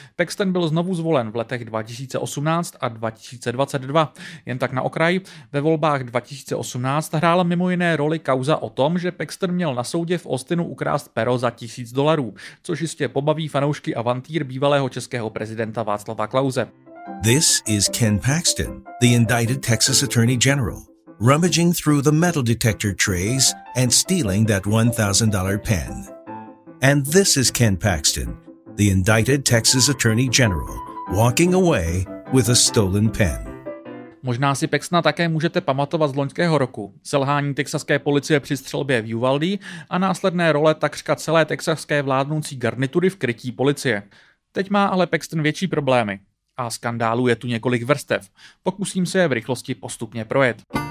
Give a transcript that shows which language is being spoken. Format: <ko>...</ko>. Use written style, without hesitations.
<cs>Paxton byl znovu zvolen v letech 2018 a 2022. Jen tak na okraj, ve volbách 2018 hrála mimo jiné roli kauza o tom, že Paxton měl na soudě v Austinu ukrást pero za $1000, což jistě pobaví fanoušky avantýr bývalého českého prezidenta Václava Klause.</cs> <en>This is Ken Paxton, the indicted Texas Attorney General, rummaging through the metal detector trays and stealing that $1,000 pen. And this is Ken Paxton, the indicted Texas Attorney General, walking away with a stolen pen.</en> <cs>Možná si Paxtona také můžete pamatovat z loňského roku. Selhání texaské policie při střelbě v Uvalde a následné role takřka celé texaské vládnoucí garnitury v krytí policie. Teď má ale Paxton větší problémy a skandálů je tu několik vrstev. Pokusím se je v rychlosti postupně projet.</cs>